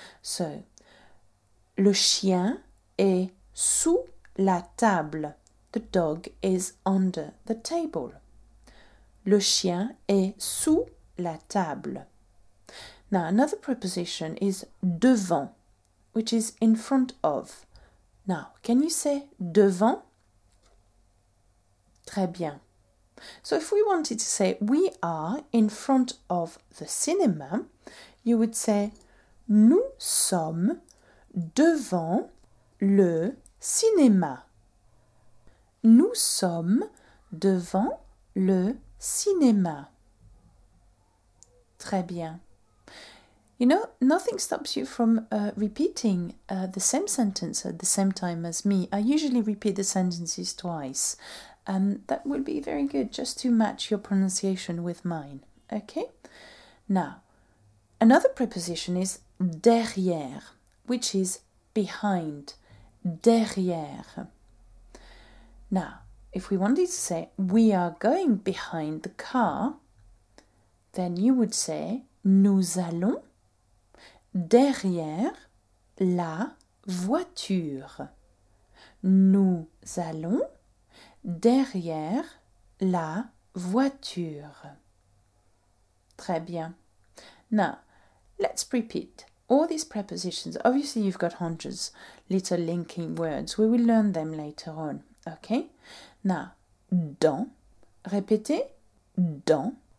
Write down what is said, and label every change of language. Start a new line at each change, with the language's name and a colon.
French: So, le chien est sous la table.
English: The dog is under the table.
French: Le chien est sous la table.
English: Now, another preposition is devant, which is in front of. Now, can you say devant?
French: Très bien.
English: So if we wanted to say we are in front of the cinema, you would say
French: nous sommes devant le cinéma. Nous sommes devant le cinéma. Très bien.
English: You know, nothing stops you from repeating the same sentence at the same time as me. I usually repeat the sentences twice. And that would be very good, just to match your pronunciation with mine. Okay? Now, another preposition is derrière, which is behind. Derrière. Now, if we wanted to say we are going behind the car, then you would say
French: nous allons derrière la voiture. Nous allons derrière la voiture. Très bien.
English: Now, let's repeat all these prepositions. Obviously, you've got hundreds of little linking words. We will learn them later on.
French: Okay? Now, dans. Répétez. Dans.